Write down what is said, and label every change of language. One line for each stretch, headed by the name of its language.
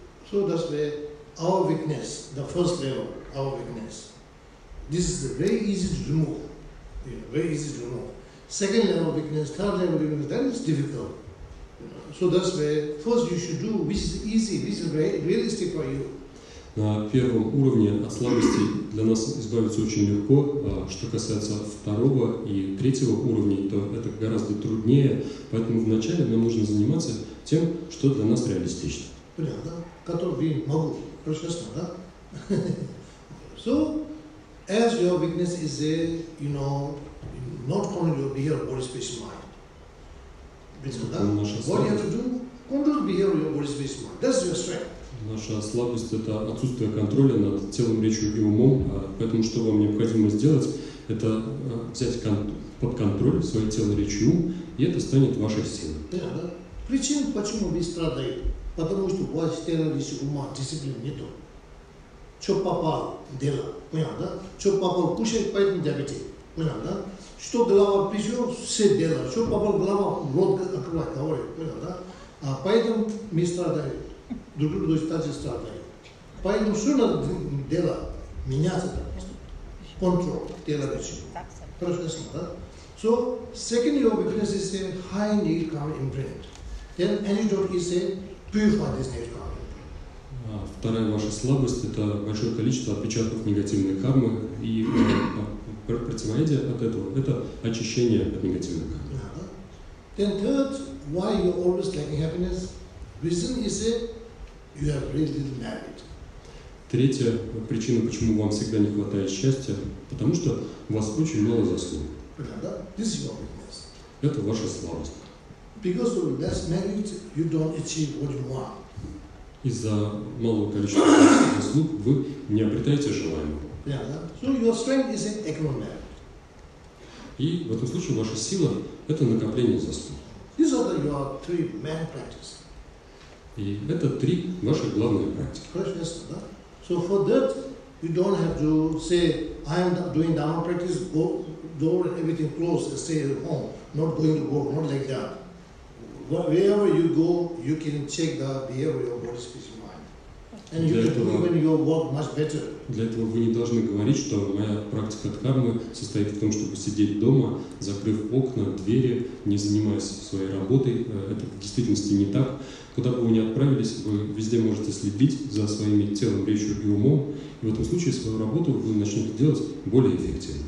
English: So that's the our weakness, the first level, our weakness. This is very easy to remove. Yeah, very easy to remove. Second level weakness, third level weakness, that is difficult. So that's where first you should do, which is easy, which is very realistic for you.
Russian: На первом уровне от слабости для нас избавиться очень легко. Что касается второго и третьего уровней, то это гораздо труднее. Поэтому вначале нам нужно заниматься тем, что для нас реалистично. Понятно, да? Который я могу. Прочестно, да?
English: So, as your weakness is there, you know, not control your behavior, body, space, mind. What you have to do? Control the behavior of your body, space, mind. That's your strength.
Russian: Наша слабость – это отсутствие контроля над телом, речью и умом. Поэтому что вам необходимо сделать – это взять под контроль свое тело, речь и ум, и это станет вашей силой. Да. Причина, почему вы страдаете? Потому что у вас тело, речь и ума, дисциплины нету. Что попало – дело. Понятно, да? Что попало – кушает, поэтому диабетик. Понятно, да? Что голова пришла, все дело. Что попало – голова, рот открывает, говорит. Понятно, да? А поэтому мы страдаем. Другие люди также страдают. Поэтому все надо делать, меняться так. Контроль тела речи. Хорошо, ясно, да?
English: So, second your weakness is a high need karma imprint. Then antidote is a purify this need karma imprint.
Russian: Вторая ваша слабость – это большое количество отпечатков негативной кармы. И противоядие от этого – это очищение от негативной кармы.
English: Then third, why you always lacking happiness? Reason is a you have really little merit.
Russian: Третья причина, почему вам всегда не хватает счастья, потому что у вас очень мало заслуг.
English: This is your weakness.
Russian: Это ваша слабость.
English: Because of less merit, you don't achieve what you want.
Russian: Из-за малого количества заслуг вы не обретаете желаемого.
English: Yeah, so your strength is an accumulation merit.
Russian: И в этом случае ваша сила – это накопление заслуг.
English: These are your three main practices.
Russian: И это три ваши главные практики. Хорошо, ясно, да?
English: So for that, you don't have to say, I am doing dharma practice, go, door and everything closed, stay at home, not going to work, not like that. Wherever you go, you can check the behavior of your body, speech, mind. And you can do even your work much better.
Russian: Для этого вы не должны говорить, что моя практика дхармы состоит в том, чтобы сидеть дома, закрыв окна, двери, не занимаясь своей работой. Это в действительности не так. Куда бы вы ни отправились, вы везде можете следить за своими телом, речью и умом. И в этом случае свою работу вы начнете делать более эффективно.